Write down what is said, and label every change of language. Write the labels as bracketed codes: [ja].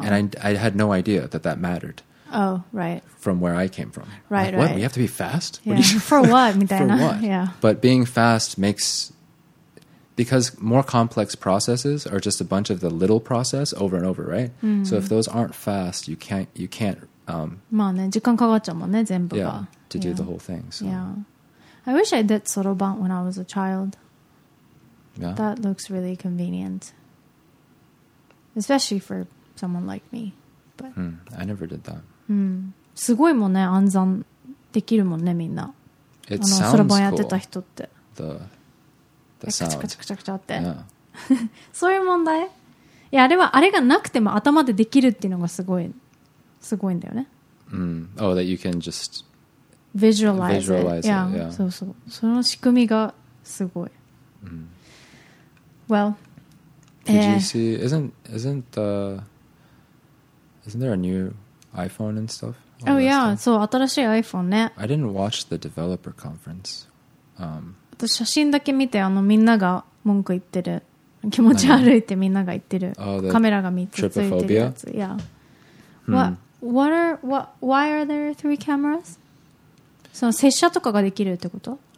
[en] And I had no idea that mattered. Oh, right. From where I came from. Right, like, what? We have to be fast? Yeah. What for what? For what? Yeah. But being fast makes... Because more complex processes are just a bunch of the little process over and over, right? So if those aren't fast, you can't... [ja] まあね、時間かかっちゃうもんね、全部が。 [en] Yeah. To do the whole thing. So. Yeah. I wish I did soroban when I was a child. Yeah. That looks really convenient. Especially for someone like me. But I never did that. [ja] すごいもんね、暗算できるもんね、みんな。 [en] It sounds cool. [ja] soroban やってた人って。 [en] The sound. [ja] カチカチカチカって。 [en] Yeah. [ja] そういう問題。いや、あれはあれがなくても頭でできるっていうのがすごいんだよね。 [en] Oh, that you can just... Visualize it. Yeah. [ja] そうそう。その仕組みがすごい。Well, [en] PGC isn't there a new iPhone and stuff? Oh yeah, so [ja] 新しい iPhone ね。 [en] I didn't watch the developer conference. [ja] 私写真だけ見て、あのみんなが文句言ってる、気持ち悪いってみんなが言ってる、カメラが3つついてるやつ。 [en] Yeah. Why are there three cameras? [ja] その接写とかができるってこと？